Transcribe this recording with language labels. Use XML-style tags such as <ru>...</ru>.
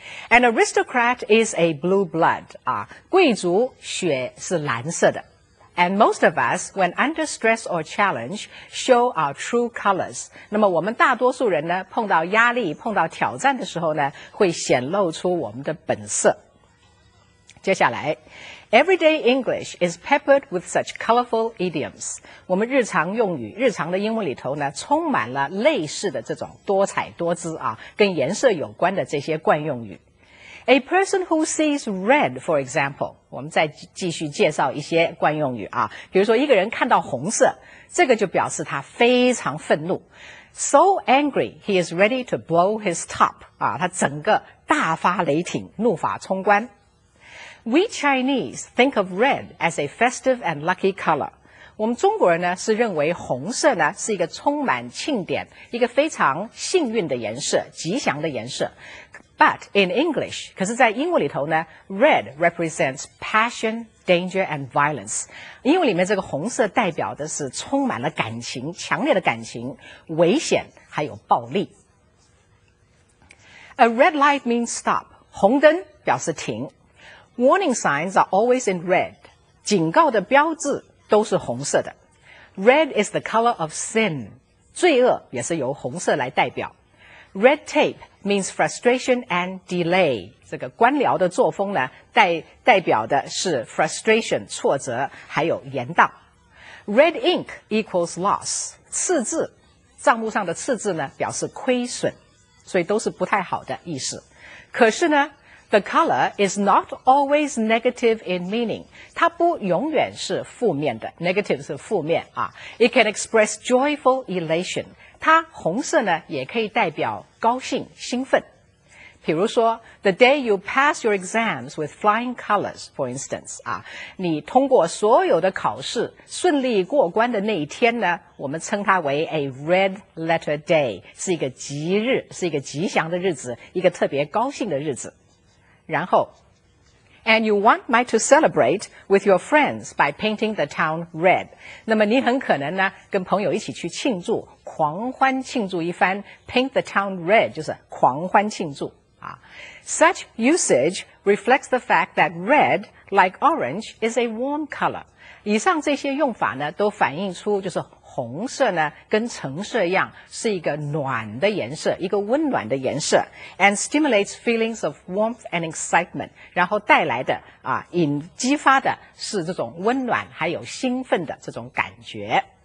<en>An aristocrat is a blue blood, 啊，</en> <zh>贵族血是蓝色的。</zh> <en>And most of us, when under stress or challenge, show our true colors.</en> <zh>那么我们大多数人呢，碰到压力，碰到挑战的时候呢，会显露出我们的本色。接下来。</zh> <en>Everyday English is peppered with such colorful idioms.</en> <zh>我们日常用语，日常的英文里头呢，充满了类似的这种多彩多姿啊，跟颜色有关的这些惯用语。</zh> <en>A person who sees red, for example,</en> <zh>我们再继续介绍一些惯用语啊，比如说一个人看到红色，这个就表示他非常愤怒。</zh> <en>So angry, he is ready to blow his top.</en> <zh>啊，他整个大发雷霆，怒发冲冠。</zh> <en>We Chinese think of red as a festive and lucky color.</en> <zh>我们中国人呢是认为红色呢是一个充满庆典，一个非常幸运的颜色，吉祥的颜色。</zh> <en>But in English,</en> <zh>可是在英文里头呢</zh> <en>,red represents passion, danger and violence.</en> <zh>英文里面这个红色代表的是充满了感情，强烈的感情，危险还有暴力。</zh> <en>A red light means stop.</en> <zh>红灯表示停。</zh> <en>Warning signs are always in red.</en> <zh>警告的标志都是红色的。</zh> <en>Red is the color of sin.</en> <zh>罪恶也是由红色来代表。</zh> <en>Red tape means frustration and delay.</en> <zh>这个官僚的作风呢，代表的是 frustration, 挫折，还有延宕。</zh> <en>Red ink equals loss.</en> <zh>赤字，账目上的赤字呢，表示亏损，所以都是不太好的意思。可是呢，</zh> <en>the color is not always negative in meaning.</en> <zh>它不永远是负面的， negative 是负面啊。</zh> <en>It can express joyful elation.</en> <zh>它红色呢也可以代表高兴兴奋。比如说 ,</zh> <en>the day you pass your exams with flying colors, for instance,</en> <zh>啊你通过所有的考试顺利过关的那一天呢，我们称它为</zh> <en>a red letter day,</en> <zh>是一个吉日，是一个吉祥的日子，一个特别高兴的日子。</zh> <en>然后 ,and you want me to celebrate with your friends by painting the town red.</en> <zh>那么你很可能呢跟朋友一起去庆祝。狂欢庆祝一番 ,</zh> <en>paint the town red,</en> <zh>就是狂欢庆祝、啊。</zh> <en>Such usage reflects the fact that red, like orange, is a warm color.</en> <zh>以上这些用法呢都反映出就是红色呢跟橙色一样是一个暖的颜色，一个温暖的颜色。</zh> <en>And stimulates feelings of warmth and excitement.</en> <zh>然后带来的啊引激发的是这种温暖还有兴奋的这种感觉。</zh>